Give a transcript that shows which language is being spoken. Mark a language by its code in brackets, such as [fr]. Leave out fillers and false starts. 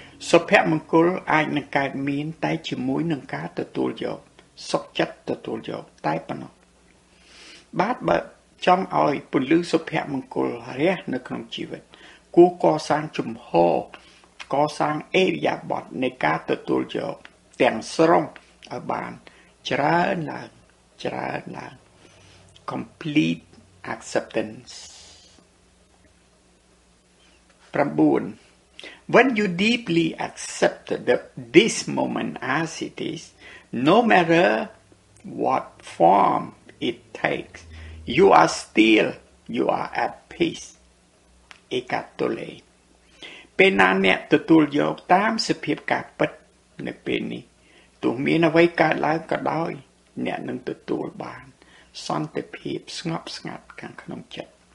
[km] សុភមង្គលអាចនឹងកើតមានតែជាមួយនឹងការទទួលយកសុខចិត្តទទួលយកតែប៉ុណ្ណោះបាទបើចង់ឲ្យពលិសុភមង្គលរះនៅក្នុងជីវិតគួរកសាងជំហរកសាងអេរយាបតនៃការទទួលយកទាំងស្រុងឲ្យបានច្រើនឡើងច្រើនឡើង [en] completeAcceptance. [km] 9. [en] When you deeply accept this moment as it is, no matter what form it takes, you are still, you are at peace. [km] ឯកតុល័យ. ពេលណាអ្នកទទួលយកតាមសភាពការពិតនៅពេលនេះ ទោះមានអ្វីកើតឡើងក៏ដោយ អ្នកនឹងទទួលបានសន្តិភាពស្ងប់ស្ងាត់ខាងក្នុងចិត្ត